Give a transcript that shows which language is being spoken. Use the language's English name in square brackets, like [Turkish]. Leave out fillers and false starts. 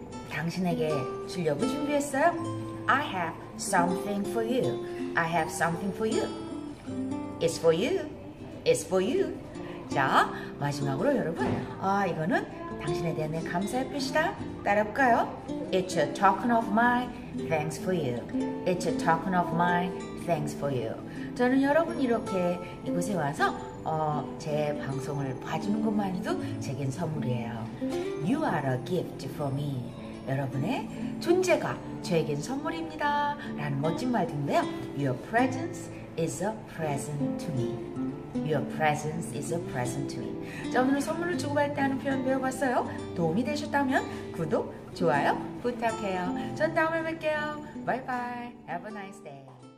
[Korean] 당신에게 주려고 준비했어요? [English] I have something for you. I have something for you. It's for you. It's for you. [Korean] 자, 마지막으로 여러분, 이거는 당신에 대한 내 감사의 표시다. 따라볼까요? [English] It's a token of my thanks for you. It's a token of my thanks for you. [Korean] 저는 여러분 이렇게 이곳에 와서 제 방송을 봐주는 것만으로도 제겐 선물이에요. [English] You are a gift for me. [Korean] 여러분의 존재가 저에겐 선물입니다. 라는 멋진 말인데요. [English] Your presence is a present to me. Your presence is a present to me. [Korean] 자, 오늘 선물을 주고받을 때 하는 표현 배워봤어요. 도움이 되셨다면 구독, 좋아요 부탁해요. 전 다음에 뵐게요. [English] Bye bye. Have a nice day.